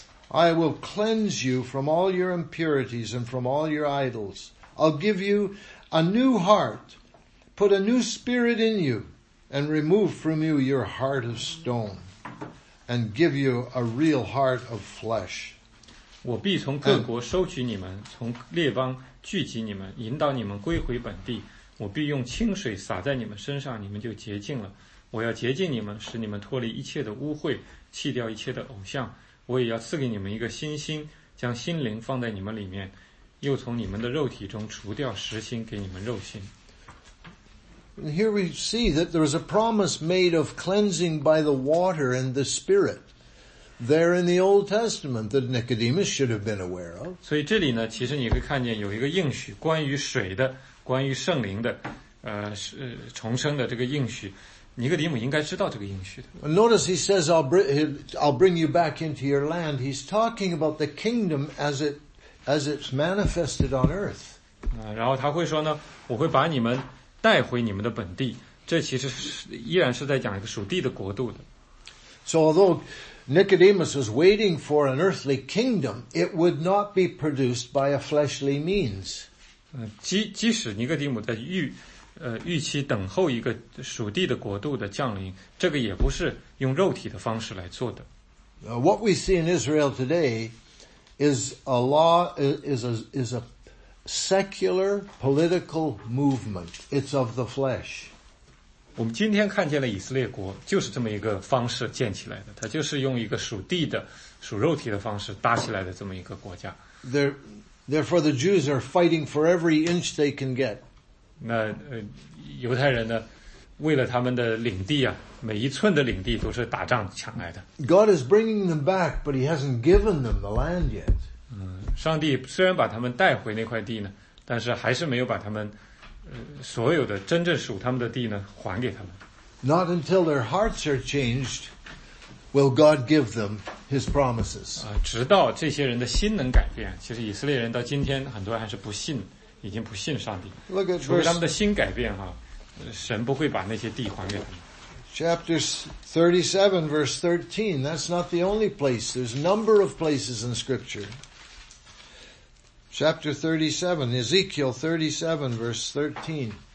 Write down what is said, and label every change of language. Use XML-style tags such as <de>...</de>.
<en>I will cleanse you from all your impurities and from all your idols. I'll give you a new heart, put a new spirit in you." And remove from you your heart of stone, and give you a real heart of flesh.</en> <zh>我必从各国收取你们，从列邦聚集你们，引导你们归回本地。我必用清水洒在你们身上，你们就洁净了。我要洁净你们，使你们脱离一切的污秽，弃掉一切的偶像。我也要赐给你们一个新心，将心灵放在你们里面，又从你们的肉体中除掉石心，给你们肉心。</zh> <en>And here we see that there is a promise made of cleansing by the water and the Spirit there in the Old Testament that Nicodemus should have been aware of.</en> <zh>所以这里呢，其实你会看见有一个应许，关于水的，关于圣灵的，重生的这个应许，尼哥底母应该知道这个应许的。</zh> <en>Notice he says, "I'll bring you back into your land." He's talking about the kingdom as it's manifested on earth.</en> <zh>然后他会说呢，我会把你们。带回你们的本地，这其实依然是在讲一个属地的国度的。</zh> <en>So although Nicodemus was waiting for an earthly kingdom, it would not be produced by a fleshly means.</en> <zh>即使尼哥底母在预预期等候一个属地的国度的降临，这个也不是用肉体的方式来做的。</zh> <en>What we see in Israel today is a law, is a secular political movement. It's of the flesh.</en> <zh>我们今天看见了以色列国就是这么一个方式建起来的，它就是用一个属地的、属肉体的方式搭起来的这么一个国家。</zh> <en>Therefore, the Jews are fighting for every inch they can get.</en> <zh>那犹太人呢，为了他们的领地啊，每一寸的领地都是打仗抢来的。</zh> <en>God is bringing them back, but He hasn't given them the land yet.</en> <zh>上帝虽然把他们带回那块地呢，但是还是没有把他们所有的真正属他们的地呢还给他们。</zh> <en>Not until their hearts are changed will God give them His promises.</en> <zh>直到这些人的心能改变，其实以色列人到今天很多人还是不信，已经不信上帝。</zh> <en>Look at verse,</en> <zh>除非他们的心改变哈，神不会把那些地还给他们。</zh> <en>Chapter 37 verse 13, that's not the only place. There's a number of places in scripture. Chapter 37, Ezekiel 37, verse 13.</en>